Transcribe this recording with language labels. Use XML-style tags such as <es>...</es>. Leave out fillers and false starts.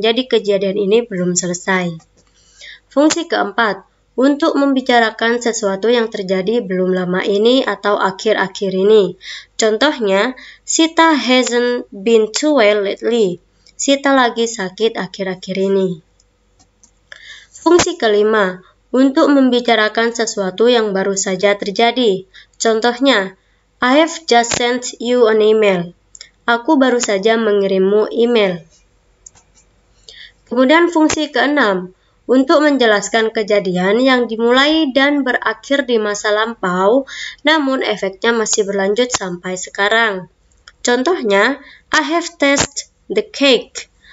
<id>Jadi kejadian ini belum selesai. Fungsi keempat, untuk membicarakan sesuatu yang terjadi belum lama ini atau akhir-akhir ini. Contohnya,</id> <en>Sita hasn't been too well lately.</en> <id>Sita lagi sakit akhir-akhir ini. Fungsi kelima, untuk membicarakan sesuatu yang baru saja terjadi. Contohnya,</id> <en>I have just sent you an email.</en> <id>Aku baru saja mengirimmu email. Kemudian fungsi keenam, untuk menjelaskan kejadian yang dimulai dan berakhir di masa lampau, namun efeknya masih berlanjut sampai sekarang. Contohnya,</id> <en>I have tasted the cake.</en>